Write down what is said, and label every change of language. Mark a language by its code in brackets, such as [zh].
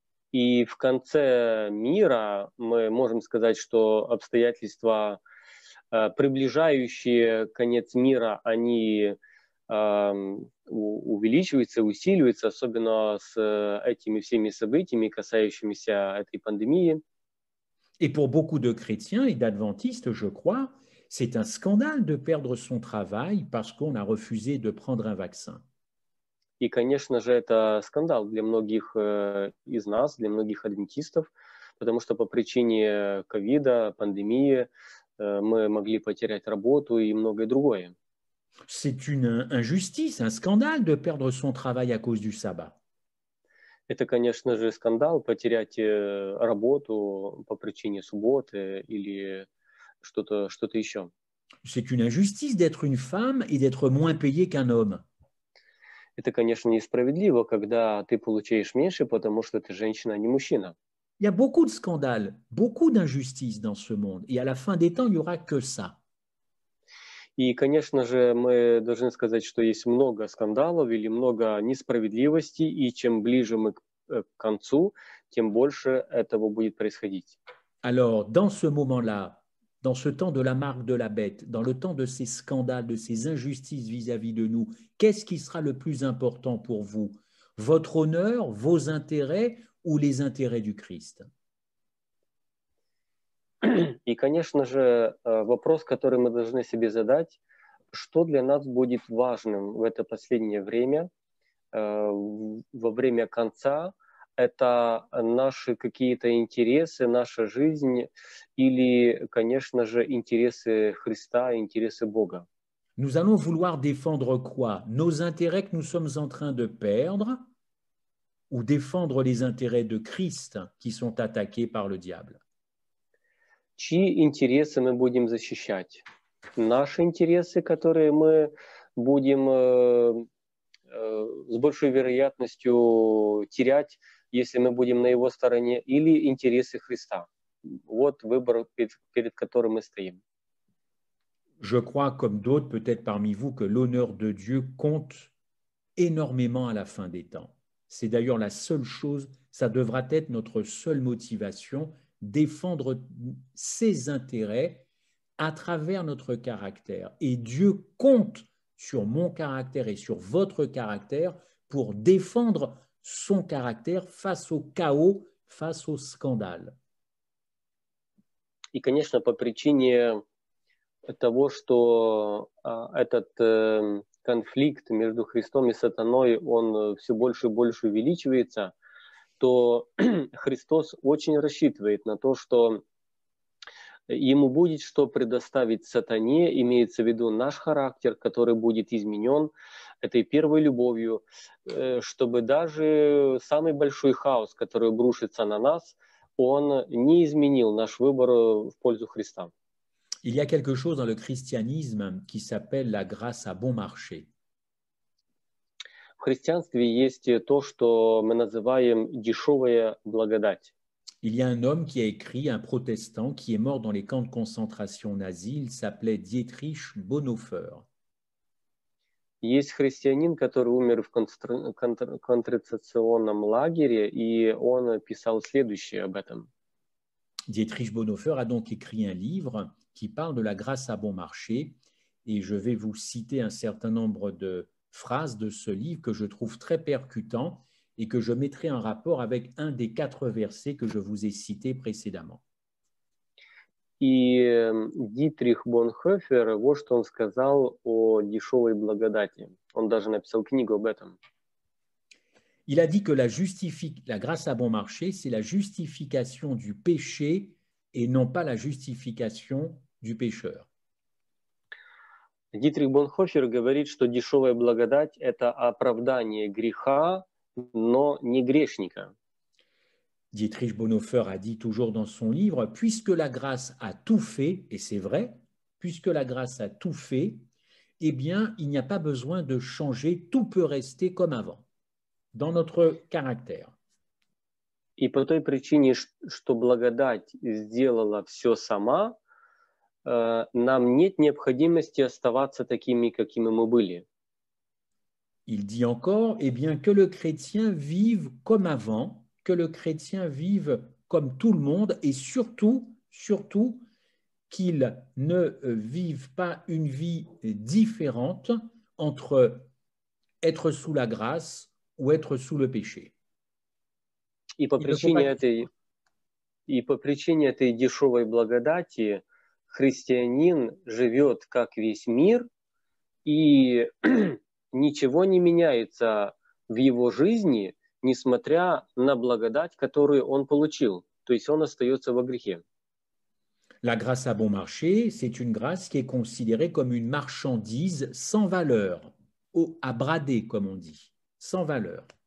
[ru] И в конце мира мы можем сказать, что обстоятельства, приближающие конец мира, они увеличиваются, усиливаются, особенно с этими всеми событиями, касающимися этой пандемии. [fr] Et pour beaucoup de chrétiens et d'adventistes, je crois, c'est un scandale de perdre son travail parce qu'on a refusé de prendre un vaccin. [ru] И, конечно же, это скандал для многих из нас, для многих адвентистов, потому что по причине ковида, пандемии, мы могли потерять работу и многое другое. [fr] C'est une injustice, un scandale de perdre son travail à cause du sabbat. [ru] Это, конечно же, скандал потерять работу по причине субботы или что-то еще. [fr] C'est une injustice d'être une femme et d'être moins payée qu'un homme. [ru] Это, конечно, несправедливо, когда ты получаешь меньше, потому что ты женщина, а не мужчина. [fr] Il y a beaucoup de scandales, beaucoup d'injustices dans ce monde, et à la fin des temps, il y aura que ça. [ru] И, конечно же, мы должны сказать, что есть много скандалов или много несправедливости, и чем ближе мы к концу, тем больше этого будет происходить. [fr] Alors, dans ce moment-là, dans ce temps de la marque de la bête, dans le temps de ces scandales, de ces injustices vis-à-vis de nous, qu'est-ce qui sera le plus important pour vous? Votre honneur, vos intérêts ou les intérêts du Christ? Et, [ru] конечно же, вопрос, который мы должны себе задать, что для нас будет важным в это последнее время, во время конца, это наши какие-то интересы, наша жизнь или, конечно же, интересы Христа, интересы Бога. [fr] Nous allons vouloir défendre quoi? Nos intérêts que nous sommes en train de perdre ou défendre les intérêts de Christ qui sont attaqués par le diable? [ru] Чьи интересы мы будем защищать? Наши интересы, которые мы будем с большей вероятностью терять, если мы будем на его стороне, или интересы Христа. Вот выбор, перед которым мы стоим. [fr] Je crois, comme d'autres, peut-être parmi vous, que l'honneur de Dieu compte énormément à la fin des temps. C'est d'ailleurs la seule chose, ça devra être notre seule motivation, défendre ses intérêts à travers notre caractère. Et Dieu compte sur mon caractère et sur votre caractère pour défendre son caractère face au chaos, face au scandale. [ru] И, конечно, по причине того, что этот конфликт между Христом и сатаной, он все больше и больше увеличивается, то Христос очень рассчитывает на то, что ему будет что предоставить сатане, имеется в виду наш характер, который будет изменен этой первой любовью, чтобы даже самый большой хаос, который обрушится на нас, он не изменил наш выбор в пользу Христа. [fr] Il y a quelque chose dans le christianisme qui s'appelle la grâce à bon marché. [ru] В христианстве есть то, что мы называем дешевая благодать. [fr] Il y a un homme qui a écrit, un protestant, qui est mort dans les camps de concentration nazis. Il s'appelait Dietrich Bonhoeffer. [ru] Есть христианин, который умер в концентрационном лагере, и он писал следующее об этом. [fr] Dietrich Bonhoeffer a donc écrit un livre qui parle de la grâce à bon marché, et je vais vous citer un certain nombre de phrases de ce livre que je trouve très percutant et que je mettrai en rapport avec un des quatre versets que je vous ai cités précédemment. [ru] И Дитрих Бонхофер, вот что он сказал о дешевой благодати. Он даже написал книгу об этом. [fr] Il a dit que la grâce à bon marché, c'est la justification du péché et non pas la justification du pécheur. [ru] Дитрих Бонхофер говорит, что дешевая благодать – это оправдание греха, но не грешника. [fr] Dietrich Bonhoeffer a dit toujours dans son livre, puisque la grâce a tout fait, et c'est vrai, puisque la grâce a tout fait, eh bien, il n'y a pas besoin de changer, tout peut rester comme avant, dans notre caractère. Et [ru] по той причине, что благодать сделала все сама, нам нет необходимости оставаться такими, какими мы были. [fr] Il dit encore, eh bien, que le chrétien vive comme avant, que le chrétien vive comme tout le monde et surtout qu'il ne vive pas une vie différente entre être sous la grâce ou être sous le péché. [ru] И по причине этой дешевой благодати христианин живет как весь мир и ничего не меняется в его жизни, несмотря на благодать, которую он получил, то есть он остается во грехе. [fr] La grâce à bon marché, c'est une grâce qui est considérée comme une marchandise sans valeur, ou à brader, comme on dit, sans valeur.